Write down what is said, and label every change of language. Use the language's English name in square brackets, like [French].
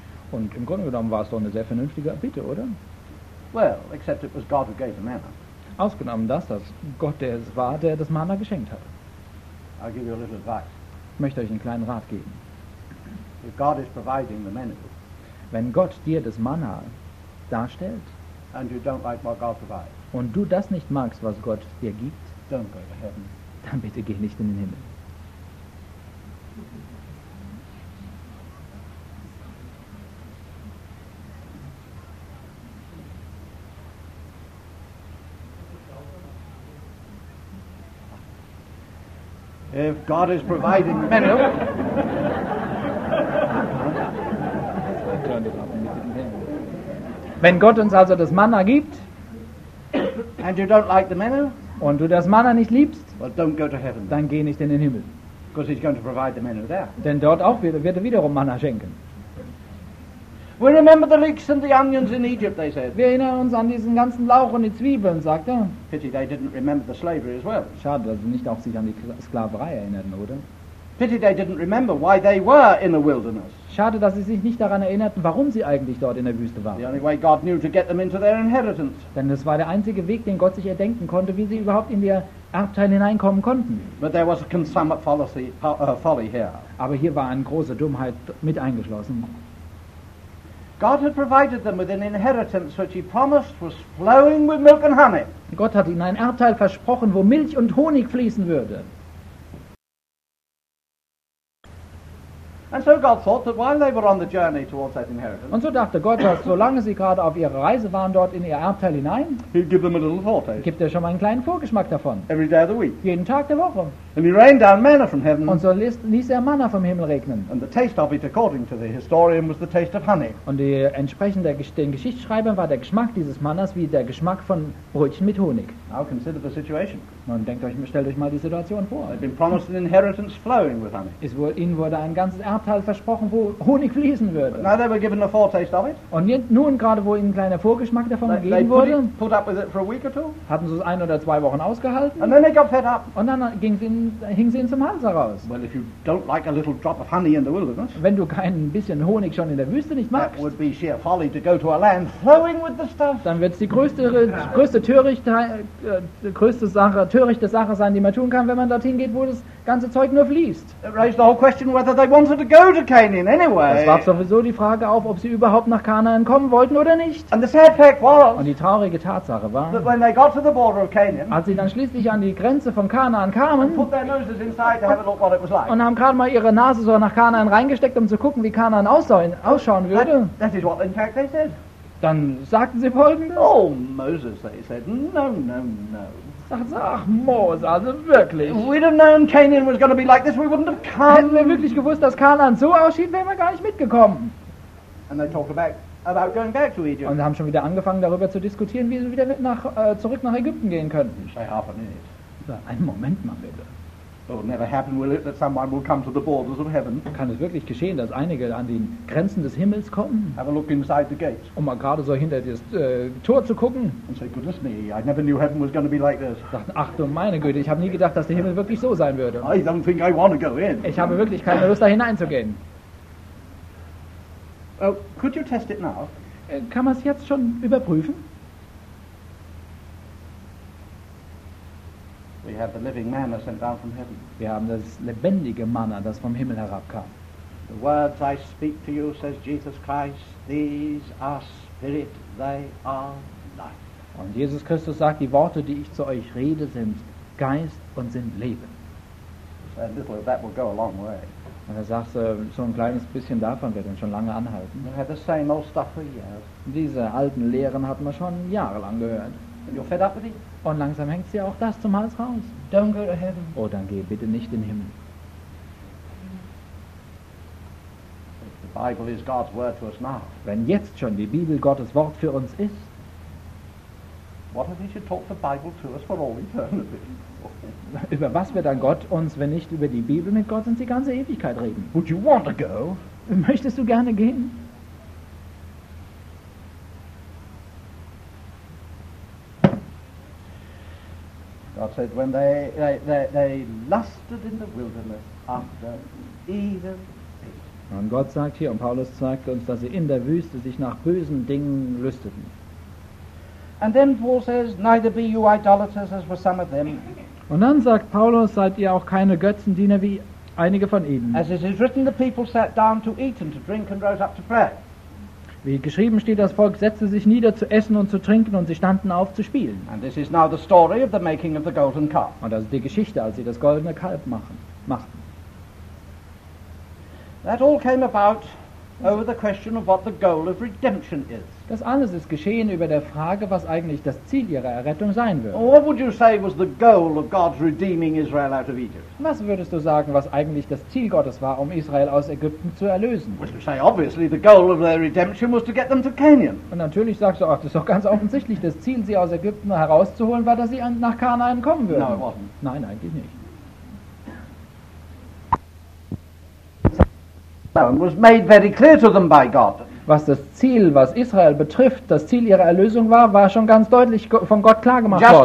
[German] Und im Grunde genommen war es doch eine sehr vernünftige Bitte, oder? [English] Well, except it was God who gave the manna. [German] Ausgenommen dass Gott der es war, der das Manna geschenkt hat. [English] I'll give you a little advice. [German] Ich möchte euch einen kleinen Rat geben. [English] If God is providing the manna, [German] wenn Gott dir das Manna darstellt, [English] and you don't like what God provides, [German] und du das nicht magst, was Gott dir gibt, [English] don't go to heaven. [German] Dann bitte geh nicht in den Himmel. [English] If God is providing manna, turn it up and get in heaven. [German] Wenn Gott uns also das Manna gibt, [English] and you don't like the manna, [German] und du das Manna nicht liebst, [English] well, don't go to heaven, [German] dann geh nicht in den Himmel. [English] Because he's going to provide the manna there. [German] Denn dort auch wird er wiederum Manna schenken. [English] We remember the leeks and the onions in Egypt, they said. [German] Wir erinnern uns an diesen ganzen Lauch und die Zwiebeln, sagt er. [English] Pity they didn't remember the slavery as well. [German] Schade, dass sie nicht auch sich an die Sklaverei erinnerten, oder? [English] Pity they didn't remember why they were in the wilderness. [German] Schade, dass sie sich nicht daran erinnerten, warum sie eigentlich dort in der Wüste waren. [English] The only way God knew to get them into their inheritance. [German] Denn es war der einzige Weg, den Gott sich erdenken konnte, wie sie überhaupt in ihr Erbteil hineinkommen konnten. [English] But there was a consummate folly here. [German] Aber hier war eine große Dummheit mit eingeschlossen. [English] God had provided them with an inheritance which he promised was flowing with milk and honey. [German] Gott hat ihnen ein Erbteil versprochen, wo Milch und Honig fließen würde. [English] And so God thought that while they were on the journey towards that inheritance, [German] und so dachte Gott, dass solange sie gerade auf ihrer Reise waren dort in ihr Erbteil hinein, [English] he'd give them a little foretaste. [German] Gibt er schon mal einen kleinen Vorgeschmack davon. [English] Every day of the week. [German] Jeden Tag der Woche. [English] And he rained down manna from heaven. [German] Und so ließ er Manna vom Himmel regnen. [English] And the taste of it, according to the historian, was the taste of honey. [German] Und entsprechend den Geschichtsschreibern war der Geschmack dieses Mannas wie der Geschmack von Brötchen mit Honig. [English] Now consider the situation. [German] Nun denkt euch, stellt euch mal die Situation vor. [English] They've been promised an inheritance flowing with honey. [German] Ihnen wurde ein ganzes Erbteil versprochen, wo Honig fließen würde. [English] Now they were given a foretaste of it. [German] Und nun gerade, wo ihnen ein kleiner Vorgeschmack davon gegeben wurde, [English] put up with it for a week or two. [German] Hatten sie es ein oder zwei Wochen ausgehalten. [English] And then they got fed up. [German] Und dann hing sie ihnen zum Hals heraus. [English] Well, if you don't like a little drop of honey in the wilderness, [German] wenn du kein bisschen Honig schon in der Wüste nicht magst, [English] that would be sheer folly to go to a land flowing with the stuff. [German] Dann wird's die größte törichte Sache sein, die man tun kann, wenn man dorthin geht, wo das ganze Zeug nur fließt. [English] It raised the whole question whether they wanted to go to Canaan anyway. [German] Es warf sowieso die Frage auf, ob sie überhaupt nach Kanaan kommen wollten oder nicht. [English] And the sad fact was, [German] und die traurige Tatsache war, [English] that when they got to the border of Canaan, [German] als sie dann schließlich an die Grenze von Kanaan kamen, [English] put their noses inside to have a look what it was like. [German] Und haben gerade mal ihre Nase so nach Kanaan reingesteckt, um zu gucken, wie Kanaan ausschauen würde. [English] That is what in fact they said. [German] Dann sagten sie folgendes. [English] Oh, Moses, they said, no, no, no. [German] Ach, Mose, also wirklich. [English] We'd have known Canaan was going to be like this, we wouldn't have come. [German] Hätten wir wirklich gewusst, dass Kanaan so aussieht, wären wir gar nicht mitgekommen. [English] And they talked about going back to Egypt. [German] Und haben schon wieder angefangen, darüber zu diskutieren, wie sie wieder zurück nach Ägypten gehen könnten. [English] Say half a minute. [German] Einen Moment mal bitte. [English] It'll never happen, will it, that someone will come to the borders of heaven? [German] Kann es wirklich geschehen, dass einige an den Grenzen des Himmels kommen? [English] Have a look inside the gates. [German] Um mal gerade so hinter das Tor zu gucken. [English] And say, goodness me, I never knew heaven was going to be like this. [German] Ach du meine Güte, ich habe nie gedacht, dass der Himmel wirklich so sein würde. [English] I don't think I want to go in. [German] Ich habe wirklich keine Lust, da hineinzugehen. [English] Well, could you test it now? [German] Kann man es jetzt schon überprüfen? [English] We have the living manna sent down from heaven. [German] Wir haben das lebendige Manna, das vom Himmel herabkam. [English] The words I speak to you, says Jesus Christ, these are spirit, they are life. [German] Und Jesus Christus sagt, die Worte, die ich zu euch rede, sind Geist und sind Leben. [English] A little of that will go a long way. [German] Und er sagt, so ein kleines bisschen davon wird uns schon lange anhalten. [English] We have the same old stuff for years. [German] Diese alten Lehren hatten wir schon jahrelang gehört. [English] And you're fed up with it. [German] Und langsam hängt sie auch das zum Hals raus. [English] Don't go to heaven. [German] Oh, dann geh bitte nicht in den Himmel. [English] The Bible is God's word to us now. [German] Wenn jetzt schon die Bibel Gottes Wort für uns ist, [English] what if he should talk the Bible to us for all eternity? [German] Über was wird dann Gott uns, wenn nicht über die Bibel mit Gott uns die ganze Ewigkeit reden? [English] Would you want to go? [German] Möchtest du gerne gehen? [English] God said, when they lusted in the wilderness after evil things. [German] Und Gott sagt hier, und Paulus sagt uns, dass sie in der Wüste sich nach bösen Dingen lüsteten. [English] And then Paul says, neither be you idolaters as were some of them. [German] Und dann sagt Paulus, seid ihr auch keine Götzendiener wie einige von ihnen. [English] As it is written, the people sat down to eat and to drink and rose up to pray. [German] Wie geschrieben steht, das Volk setzte sich nieder zu essen und zu trinken und sie standen auf zu spielen. [English] And this is now the story of the making of the golden calf. [German] Und das ist die Geschichte, als sie das goldene Kalb machten. [English] That all came about over the question of what the goal of redemption is. [German] Das alles ist geschehen über der Frage, was eigentlich das Ziel ihrer Errettung sein wird. [English] What would you say was the goal of God's redeeming Israel out of Egypt? [German] Was würdest du sagen, was eigentlich das Ziel Gottes war, um Israel aus Ägypten zu erlösen? [English] Would you say obviously the goal of their redemption was to get them to Canaan? [German] Und natürlich sagst du auch, das ist doch ganz offensichtlich, das Ziel, sie aus Ägypten herauszuholen, war, dass sie nach Kanaan kommen würden. [English] No, it wasn't. [German] Nein, eigentlich nicht. [English] Was made very clear to them by God. [German] Was das Ziel, was Israel betrifft, das Ziel ihrer Erlösung war schon ganz deutlich von Gott klargemacht worden.